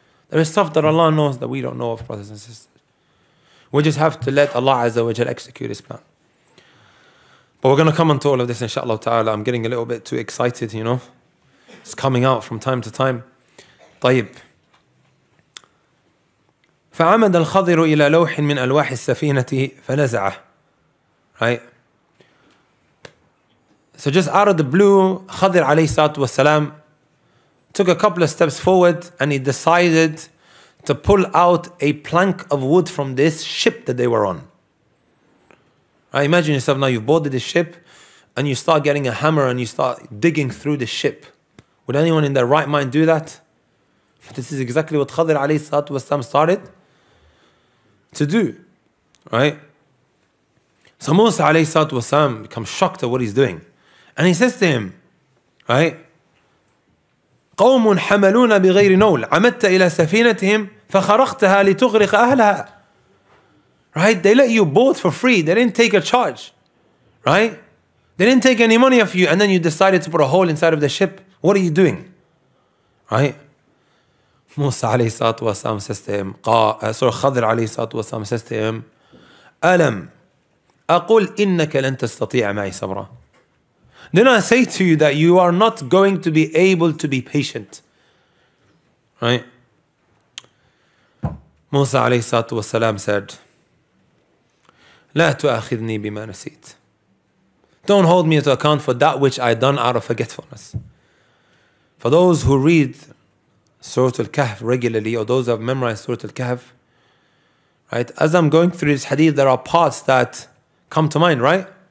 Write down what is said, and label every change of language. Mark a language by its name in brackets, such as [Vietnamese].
[English] There is stuff that Allah knows that we don't know of, brothers and sisters. We just have to let Allah azza wa jal execute His plan. Well, we're going to come on to all of this, inshallah ta'ala. I'm getting a little bit too excited, you know. It's coming out from time to time. [Arabic] طيب. فعمد الخضر إلى لوح من ألواح السفينة فنزعه. [English] Right? So just out of the blue, Khidr alayhi salatu wasalam took a couple of steps forward and he decided to pull out a plank of wood from this ship that they were on. Right? Imagine yourself now, you've boarded this ship and you start getting a hammer and you start digging through the ship. Would anyone in their right mind do that? But this is exactly what Khidr alayhi salatu wasalam started to do. Right? So Musa alayhi salatu wasalam becomes shocked at what he's doing. And he says to him, right? [Arabic] قوم حملون بغير نول عمدت إلى سفينتهم فخرقتها لتغرق أهلها. [English] Right? They let you board for free. They didn't take a charge. Right? They didn't take any money off you and then you decided to put a hole inside of the ship. What are you doing? Right? [Arabic] موسى عليه الصلاة والسلام [English] says to him, [Arabic] خضر عليه الصلاة والسلام says to him, ألم أقول إنك لن تستطيع معي صبرا. [English] Then I say to you that you are not going to be able to be patient. Right? [Arabic] موسى عليه الصلاة والسلام [English] said, [Arabic] لا تؤاخذني بما نسيت. [English] Don't hold me to account for that which I done out of forgetfulness. For those who read Surah Al-Kahf regularly, or those who have memorized Surah Al-Kahf, right? As I'm going through this hadith, there are parts that come to mind, right?